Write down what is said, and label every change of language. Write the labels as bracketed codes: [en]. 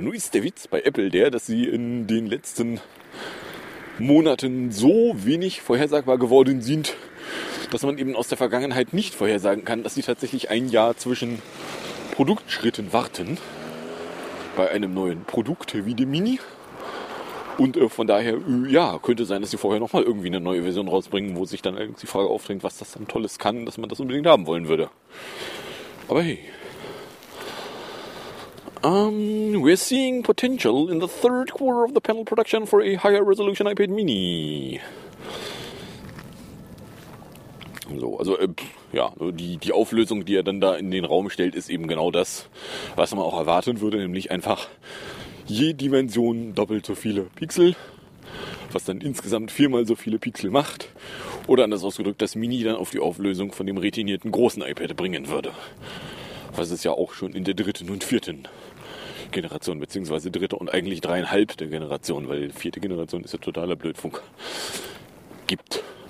[de] Nun ist der Witz bei Apple der, dass sie in den letzten Monaten so wenig vorhersagbar geworden sind, dass man eben aus der Vergangenheit nicht vorhersagen kann, dass sie tatsächlich ein Jahr zwischen Produktschritten warten bei einem neuen Produkt wie dem Mini. Und von daher, ja, könnte sein, dass sie vorher nochmal irgendwie eine neue Version rausbringen, wo sich dann die Frage aufdrängt, was das dann Tolles kann, dass man das unbedingt haben wollen würde. Aber hey. [en] We're seeing potential in the third quarter of the panel production for a higher resolution iPad Mini. [de] So, also, ja, die Auflösung, die er dann da in den Raum stellt, ist eben genau das, was man auch erwarten würde, nämlich einfach je Dimension doppelt so viele Pixel, was dann insgesamt viermal so viele Pixel macht, oder anders ausgedrückt, das Mini dann auf die Auflösung von dem retinierten großen iPad bringen würde, was es ja auch schon in der dritten und vierten Generation, beziehungsweise dritte und eigentlich dreieinhalbte Generation, weil vierte Generation ist ja totaler Blödfunk, gibt.